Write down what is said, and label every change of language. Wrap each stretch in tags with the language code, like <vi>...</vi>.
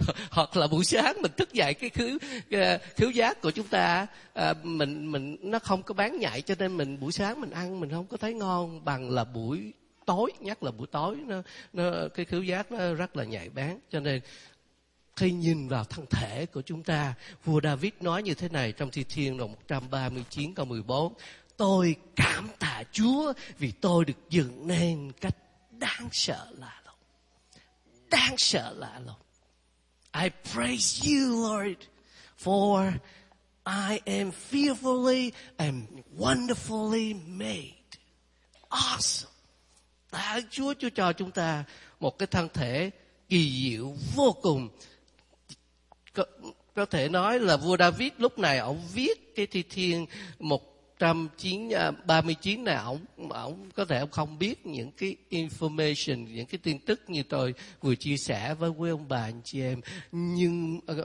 <vi>Hoặc là buổi sáng mình thức dậy cái khứu giác của chúng ta mình nó không có bán nhạy, cho nên mình buổi sáng mình ăn mình không có thấy ngon bằng là buổi tối, nhất là buổi tối nó cái khứu giác nó rất là nhạy bén. Cho nên khi nhìn vào thân thể của chúng ta, vua David nói như thế này trong Thi Thiên đoạn 139 câu 14: tôi cảm tạ Chúa vì tôi được dựng nên cách đáng sợ lạ lùng. Đáng sợ lạ lùng.</vi> <en>I praise you Lord for I am fearfully and wonderfully made. Awesome.</en> <vi>Tạ ơn Chúa, Chúa cho chúng ta một cái thân thể kỳ diệu vô cùng. Có thể nói là vua David lúc này ông viết cái Thi Thiên 139 này, ông có thể ông không biết những cái information, những cái tin tức như tôi vừa chia sẻ với quý ông bà anh chị em, nhưng</vi>